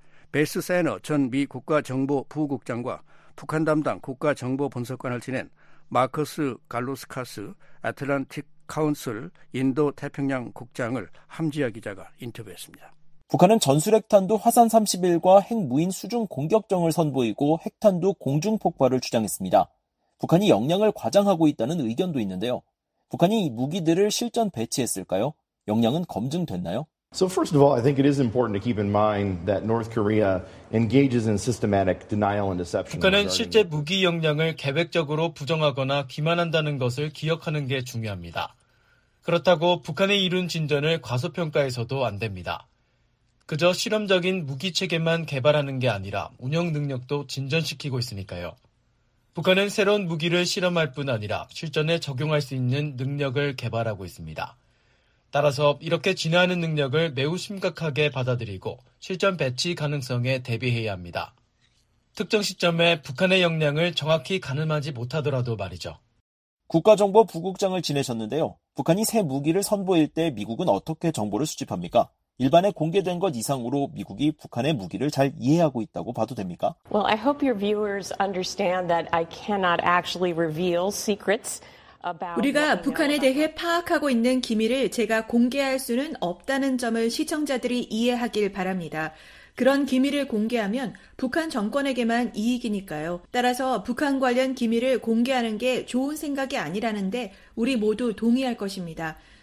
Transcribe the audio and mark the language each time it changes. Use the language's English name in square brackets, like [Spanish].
[Korean] 베스 세너 전 미 국가정보부국장과 북한 담당 국가정보분석관을 지낸 마커스 갈루스카스 애틀란틱 카운슬 인도태평양 국장을 함지아 기자가 인터뷰했습니다. 북한은 전술핵탄두 화산 31과 핵무인 수중 공격정을 선보이고 핵탄두 공중폭발을 주장했습니다. 북한이 역량을 과장하고 있다는 의견도 있는데요. 북한이 이 무기들을 실전 배치했을까요? 역량은 검증됐나요? [English] So first of all, I think it is important to keep in mind that North Korea engages in systematic denial and deception. [Korean] 북한은 실제 무기 역량을 계획적으로 부정하거나 기만한다는 것을 기억하는 게 중요합니다. 그렇다고 북한의 이룬 진전을 과소평가해서도 안 됩니다. 그저 실험적인 무기 체계만 개발하는 게 아니라 운영 능력도 진전시키고 있으니까요. 북한은 새로운 무기를 실험할 뿐 아니라 실전에 적용할 수 있는 능력을 개발하고 있습니다. 따라서 이렇게 진화하는 능력을 매우 심각하게 받아들이고 실전 배치 가능성에 대비해야 합니다. 특정 시점에 북한의 역량을 정확히 가늠하지 못하더라도 말이죠. 국가정보부국장을 지내셨는데요. 북한이 새 무기를 선보일 때 미국은 어떻게 정보를 수집합니까? 일반에 공개된 것 이상으로 미국이 북한의 무기를 잘 이해하고 있다고 봐도 됩니까? [English] Well, I hope your viewers understand that I cannot actually reveal secrets [Korean] 우리가 북한에 대해 파악하고 있는 기밀을 제가 공개할 수는 없다는 점을 시청자들이 이해하길 바랍니다. 그런 기밀을 공개하면 북한 정권에게만 이익이니까요. 따라서 북한 관련 기밀을 공개하는 게 좋은 생각이 아니라는데 우리 모두 동의할 것입니다.